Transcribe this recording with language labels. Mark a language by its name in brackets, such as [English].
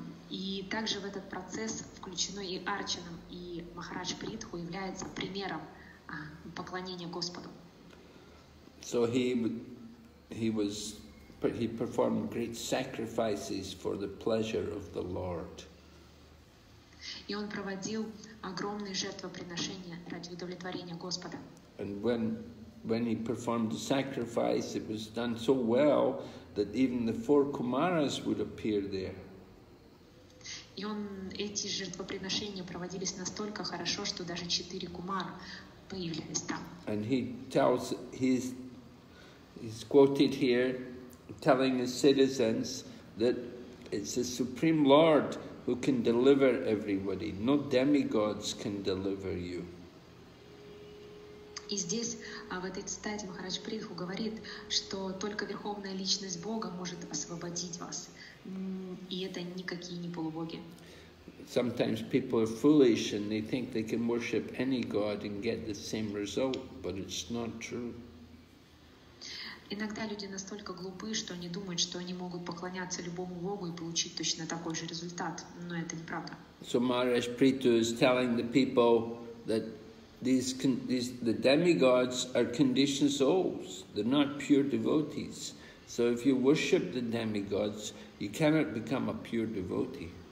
[Russian] И также в этот процесс включено и Арчанам, и Махарадж Притху является примером поклонения Господу. [English] So he performed great sacrifices for the pleasure of the Lord. [Russian] И он проводил огромные жертвоприношения ради удовлетворения Господа. [English] And when he performed the sacrifice, it was done so well that even the 4 Kumaras would appear there. [Russian] И он эти жертвоприношения проводились настолько хорошо, что даже 4 Кумара появились там. [English] And he's quoted here, telling his citizens that it's the Supreme Lord who can deliver everybody. No demigods can deliver you. [Russian] И здесь, в этой цитате, Махарадж Притху говорит, что только Верховная Личность Бога может освободить вас. И это никакие не полубоги. [English] Sometimes people are foolish and they think they can worship any god and get the same result, but it's not true. [Russian] Иногда люди настолько глупы, что они думают, что они могут поклоняться любому богу и получить точно такой же результат, но это неправда. [English] So Maharaj Prithu is telling the people that the demigods are conditioned souls, they're not pure devotees. So if you worship the demigods, you cannot become a pure devotee.